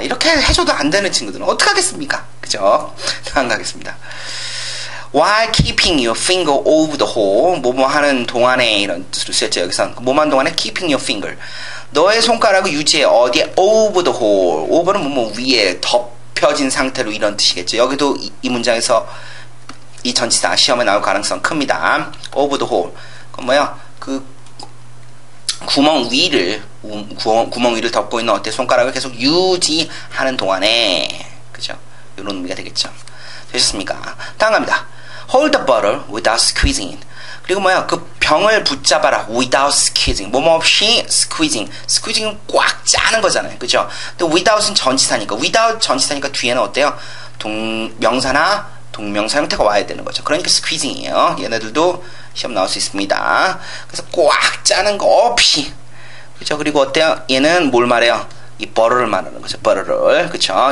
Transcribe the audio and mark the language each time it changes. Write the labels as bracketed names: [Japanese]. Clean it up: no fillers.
[Korean] 이렇게 해줘도 안 되는 친구들은 어떡하겠습니까? 그죠? 당황하겠습니다. [English] While keeping your finger over the hole, [Korean] 뭐뭐 하는 동안에 이런 뜻으로 쓰였죠. 여기서 뭐만 동안에 [English] keeping your finger, [Korean] 너의 손가락을 유지해 어디에 [English] over the hole. [Korean] over는 뭐뭐 위에 덮여진 상태로 이런 뜻이겠죠. 여기도 이 문장에서 이 전치사 시험에 나올 가능성 큽니다. [English] over the hole. [Korean] 그럼 뭐요? 그 구멍 위를 덮고 있는 어때 손가락을 계속 유지하는 동안에, 그죠? 이런 의미가 되겠죠. 되셨습니까? 다음 갑니다. [English] Hold the bottle without squeezing. [Korean] 그리고 뭐야? 그 병을 붙잡아라. [English] Without squeezing. [Korean] 뭐뭐 없이 squeezing. Squeezing은 꽉 짜는 거잖아요. 그죠? 근데 without은 전치사니까. Without 전치사니까 뒤에는 어때요? 명사나 동명사 형태가 와야 되는 거죠. 그러니까 squeezing이에요. 얘네들도 시험 나올 수 있습니다. 그래서 꽉 짜는 거 없이. 그죠? 그리고 어때요? 얘는 뭘 말해요? 이 버럴을 말하는 거죠. 버럴을. 그쵸?